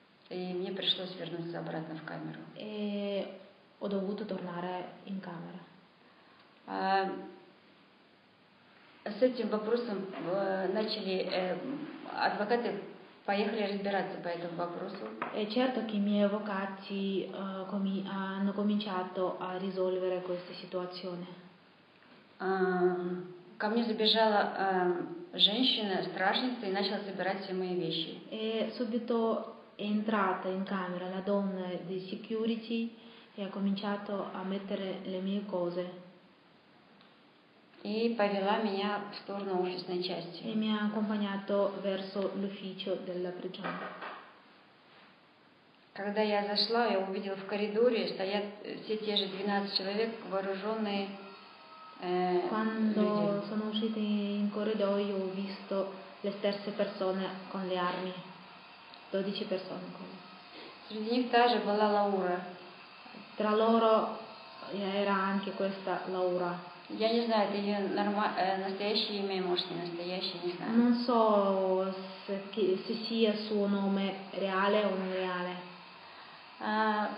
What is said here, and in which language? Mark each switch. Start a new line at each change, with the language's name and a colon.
Russian: И мне пришлось вернуться обратно в камеру.
Italian: E ho dovuto tornare in camera.
Russian: С этим вопросом начали адвокаты. Поехали разбираться по этому вопросу.
Italian: E certo che i miei avvocati hanno cominciato a risolvere questa situazione.
Russian: Ко мне забежала женщина, стражница, и начала собирать все мои вещи.
Italian: E subito è entrata in camera la donna di security e ha cominciato a mettere le mie cose.
Russian: И повела меня в сторону офисной части.
Italian: E mi ha accompagnato verso l'ufficio della prigione.
Russian: Когда я зашла, я увидела в коридоре стоят все те же 12 человек вооруженные.
Italian: Quando
Russian: люди.
Italian: Sono uscita in corridoio ho visto le stesse persone con le armi. 12 persone.
Russian: Среди них та же была Лаура.
Italian: Tra loro era anche questa Laura.
Russian: Я не знаю, это настоящее имя, может, не настоящее, не знаю.
Italian: Non so se sia suo nome reale o non reale.